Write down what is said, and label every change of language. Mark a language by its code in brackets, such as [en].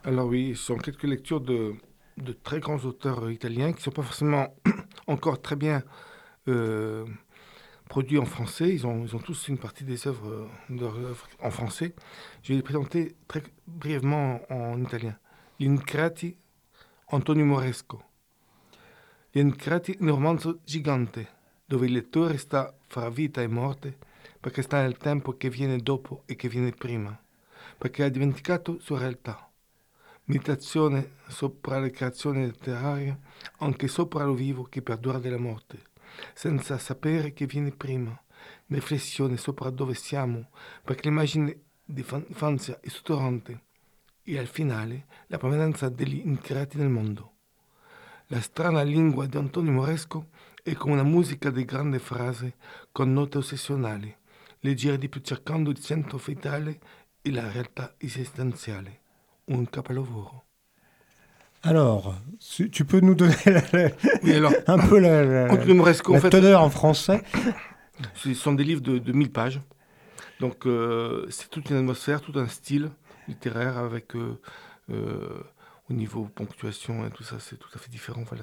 [fr] Alors oui, ce sont quelques lectures de très grands auteurs italiens qui ne sont pas forcément encore très bien produits en français. Ils ont tous une partie des œuvres de leur œuvre en français. Je vais les présenter très brièvement en italien. L'Incrati, Antonio Moresco. [it] L'Incrati è un romanzo gigante dove il lettore sta fra vita e morte perché sta nel tempo che viene dopo e che viene prima, perché ha dimenticato sua realtà. Meditazione sopra le creazioni letterarie, anche sopra lo vivo che perdura della morte, senza sapere che viene prima. Riflessione sopra dove siamo, perché l'immagine di infanzia è sottorante. E al finale la permanenza degli Incrati nel mondo. La strana lingua di Antonio Moresco è come una musica di grande frase con note ossessionali, leggere di più cercando il centro vitale e la realtà esistenziale. Un capolavoro. [fr] Alors, tu peux nous donner Antonio Moresco, la teneur en français. Ce sont des livres de 1000 pages. Donc, c'est toute une atmosphère, tout un style littéraire avec... au niveau ponctuation et tout ça, c'est tout à fait différent. Voilà.